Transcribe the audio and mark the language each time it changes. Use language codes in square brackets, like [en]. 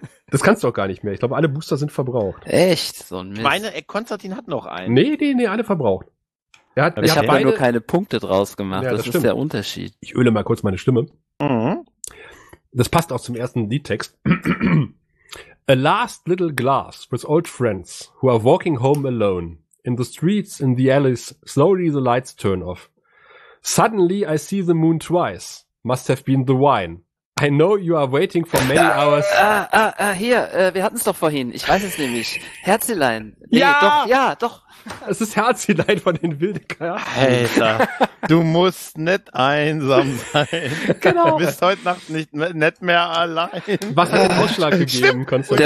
[de] Das kannst du auch gar nicht mehr. Ich glaube, alle Booster sind verbraucht. Echt? So ein Mist. Konstantin hat noch einen. Nee, alle verbraucht. Ich habe nur keine Punkte draus gemacht. Ja, das ist der Unterschied. Ich öle mal kurz meine Stimme. Mhm. Das passt auch zum ersten Liedtext. [en] A last little glass with old friends who are walking home alone. In the streets, in the alleys, slowly the lights turn off. Suddenly I see the moon twice. Must have been the wine. I know you are waiting for many hours. [de] Wir hatten es doch vorhin. Ich weiß es nämlich. Herzelein. Doch. Es ist Herzelein von den Wildecker. Alter, du musst nicht einsam sein. Genau. Du bist heute Nacht nicht mehr allein. Was hat den Ausschlag gegeben, Konstantin?